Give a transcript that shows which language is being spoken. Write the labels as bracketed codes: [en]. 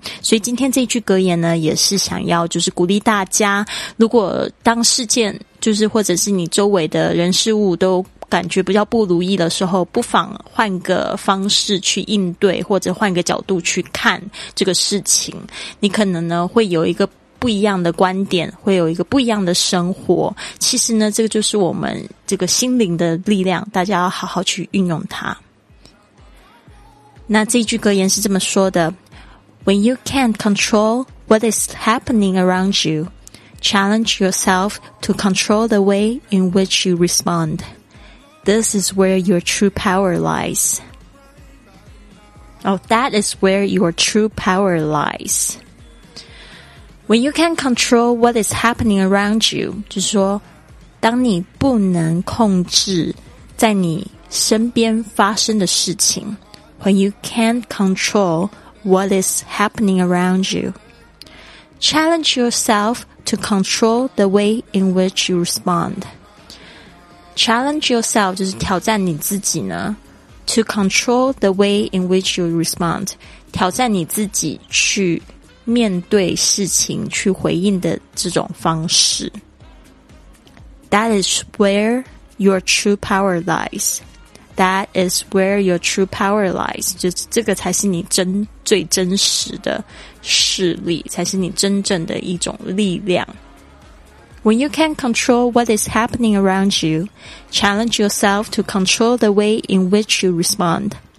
[zh] 所以今天这句格言呢，也是想要就是鼓励大家，如果当时事件就是或者是你周围的人事物都感觉比较不如意的时候，不妨换个方式去应对，或者换个角度去看这个事情，你可能呢会有一个不一样的观点，会有一个不一样的生活。其实呢，这个就是我们这个心灵的力量，大家要好好去运用它。那这句格言是这么说的， [en] When you can't control what is happening around youChallenge yourself to control the way in which you respond. This is where your true power lies. Oh, that is where your true power lies. When you can't control what is happening around you, [zh] 就是说当你不能控制在你身边发生的事情， [en] When you can't control what is happening around you, Challenge yourselfTo control the way in which you respond. Challenge yourself [zh] 就是挑战你自己呢。 [en] To control the way in which you respond. [zh] 挑战你自己去面对事情，去回应的这种方式。 [en] That is where your true power lies. That is where your true power lies. [zh] 就是这个才是你最真实的势力，才是你真正的一种力量。 [en] When you can't control what is happening around you, challenge yourself to control the way in which you respond.